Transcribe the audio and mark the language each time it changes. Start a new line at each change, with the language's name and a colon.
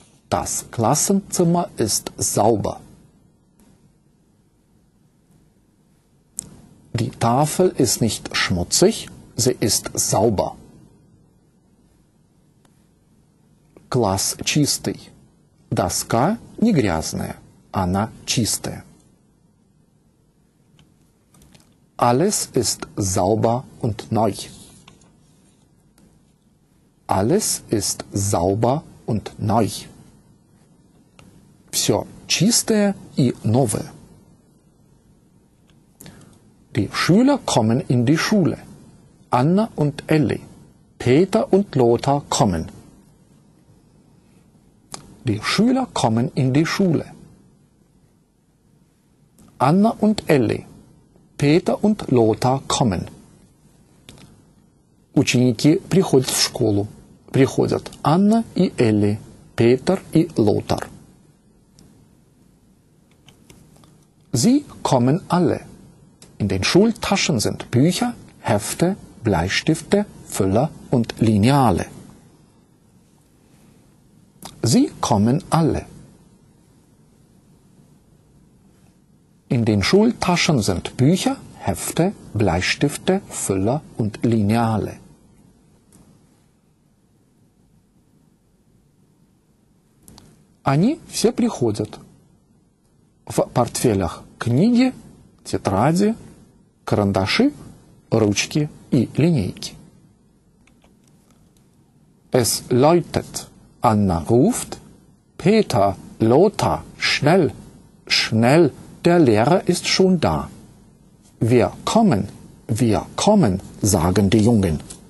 German: Das Klassenzimmer ist sauber. Die Tafel ist nicht schmutzig, sie ist sauber.
Russian: Класс чистый. Доска не грязная, она чистая.
German: Alles ist sauber und neu. Alles ist sauber und neu.
Russian: Все чистое и новое.
German: Die Schüler kommen in die Schule. Anna und Elli, Peter und Lothar kommen. Die Schüler kommen in die Schule. Anna und Elli, Peter und Lothar kommen.
Russian: Ученики приходят в школу. Приходят Анна и Элли, Петр и Лотар.
German: Sie kommen alle. In den Schultaschen sind Bücher, Hefte, Bleistifte, Füller und Lineale. Sie kommen alle. In den Schultaschen sind Bücher, Hefte, Bleistifte, Füller und Lineale.
Russian: Они все приходят. В портфелях книги, тетради, карандаши, ручки и линейки.
German: Es läutet. Anna ruft, Peter, Lothar, schnell, schnell, der Lehrer ist schon da. Wir kommen, sagen die Jungen.